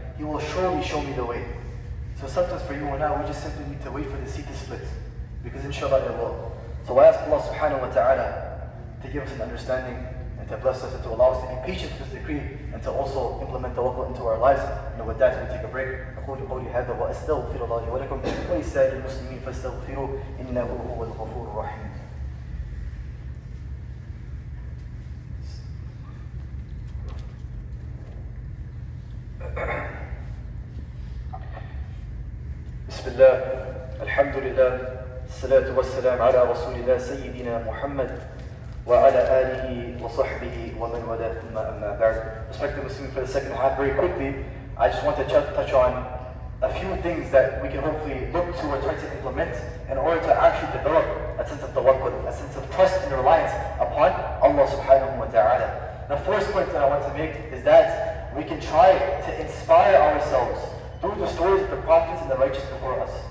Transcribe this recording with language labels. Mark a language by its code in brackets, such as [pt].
[en] He will surely show me the way." So sometimes for you and I, we just simply need to wait for the sea to split. Because inshallah it will. So I ask Allah subhanahu wa ta'ala to give us an understanding. and to bless us and to allow us to be patient with this decree and to also implement the waqf into our lives. And with that, we take a break. [ar] أقول قولي هذا وأستغفر الله لي ولكم ولسائر المسلمين فاستغفروا إنه هو الغفور الرحيم. بسم الله الحمد لله الصلاة والسلام على رسول الله سيدنا محمد وعلى آله وصحبه ومن والاه ثم أما بعد. [en] Respected Muslims, for the second half, very quickly, I just want to touch on a few things that we can hopefully look to or try to implement in order to actually develop a sense of tawakkul, a sense of trust and reliance upon Allah subhanahu wa ta'ala. The first point that I want to make is that we can try to inspire ourselves through the stories of the prophets and the righteous before us.